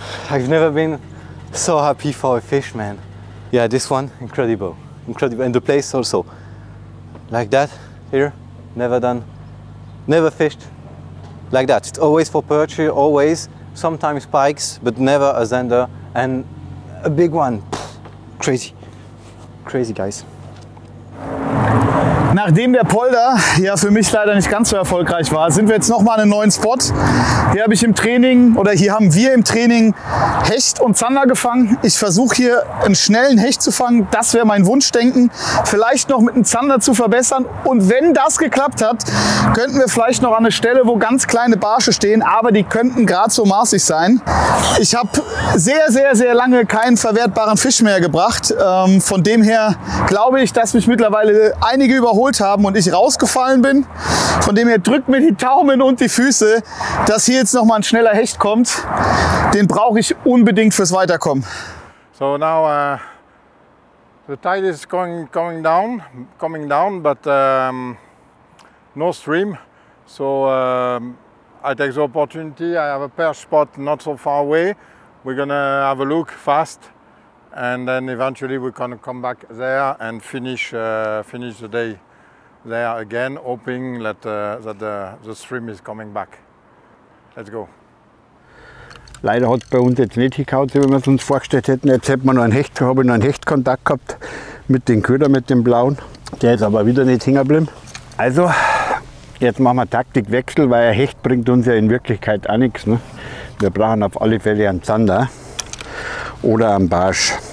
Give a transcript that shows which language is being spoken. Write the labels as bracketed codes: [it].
[en] I've never been so happy for a fish, man. Yeah, this one, incredible. Incredible, and the place also. Like that, here, never done, never fished like that. It's always for perch, always, sometimes pikes, but never a zander, and a big one. Pff, crazy, crazy, guys. [de] Nachdem der Polder ja für mich leider nicht ganz so erfolgreich war, sind wir jetzt nochmal an einem neuen Spot. Hier habe ich im Training, oder hier haben wir im Training Hecht und Zander gefangen. Ich versuche hier einen schnellen Hecht zu fangen. Das wäre mein Wunschdenken. Vielleicht noch mit einem Zander zu verbessern. Und wenn das geklappt hat, könnten wir vielleicht noch an eine Stelle, wo ganz kleine Barsche stehen, aber die könnten gerade so maßig sein. Ich habe sehr, sehr, sehr lange keinen verwertbaren Fisch mehr gebracht. Von dem her glaube ich, dass mich mittlerweile einige überholen haben und ich rausgefallen bin. Von dem her drückt mir die Daumen und die Füße, dass hier jetzt noch mal ein schneller Hecht kommt. Den brauche ich unbedingt fürs Weiterkommen. [en] So now the tide is coming down, but no stream. So I take the opportunity. I have a perch spot not so far away. We're gonna have a look fast. And then eventually we can come back there and finish the day. There again, hoping that the stream is coming back. Let's go. [de] Leider hat es bei uns jetzt nicht gekaut, wie wir es uns vorgestellt hätten. Jetzt hätte man noch einen Hecht, habe ich noch einen Hechtkontakt gehabt mit dem Köder, mit dem blauen. Der ist aber wieder nicht hängen geblieben. Also, jetzt machen wir Taktikwechsel, weil ein Hecht bringt uns ja in Wirklichkeit auch nichts. Ne? Wir brauchen auf alle Fälle einen Zander oder einen Barsch.